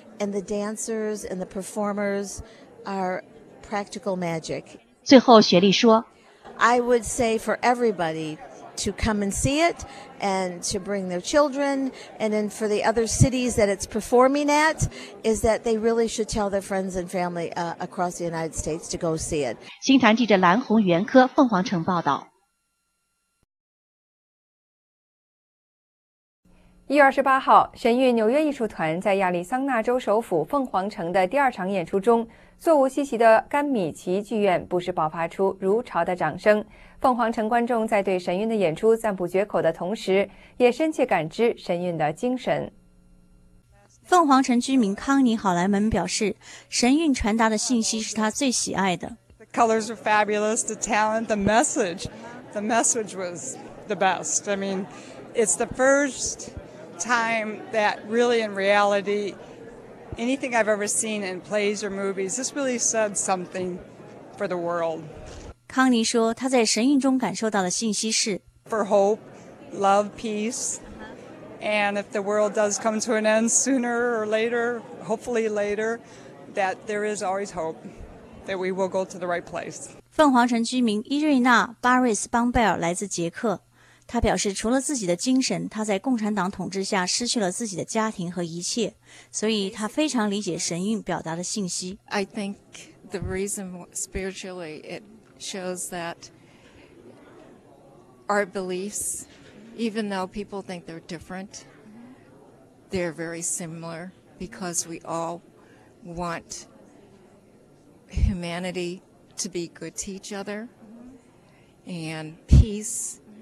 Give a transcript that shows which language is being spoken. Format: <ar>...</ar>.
<en>And the dancers and the performers are practical magic.</en> <zh>最后雪莉说,</zh> <en>I would say for everybody to come and see it and to bring their children and then for the other cities that it's performing at is that they really should tell their friends and family across the United States to go see it.</en> <zh>新唐记者蓝红袁科凤凰城报道。 1月28号， 神韵纽约艺术团在亚利桑那州首府凤凰城的第二场演出中， 座无虚席的甘米奇剧院不时爆发出如潮的掌声，凤凰城观众在对神韵的演出赞不绝口的同时，也深切感知神韵的精神。凤凰城居民康尼·好莱门表示，神韵传达的信息是他最喜爱的。</zh> <en>The colors are fabulous, the talent, the message was the best. I mean, it's the first time that really in reality anything I've ever seen in plays or movies, this really said something for the world.</en> <zh>康妮说，她在神韵中感受到的信息是</zh> <en>for hope, love, peace, and if the world does come to an end sooner or later, hopefully later, that there is always hope that we will go to the right place.</en> <zh>凤凰城居民伊瑞娜·巴瑞斯·邦贝尔来自捷克。他表示，除了自己的精神，他在共产党统治下失去了自己的家庭和一切，所以他非常理解神韵表达的信息。</zh> <en>I think the reason spiritually it shows that our beliefs, even though people think they're different, they're very similar because we all want humanity to be good to each other and peace.</en>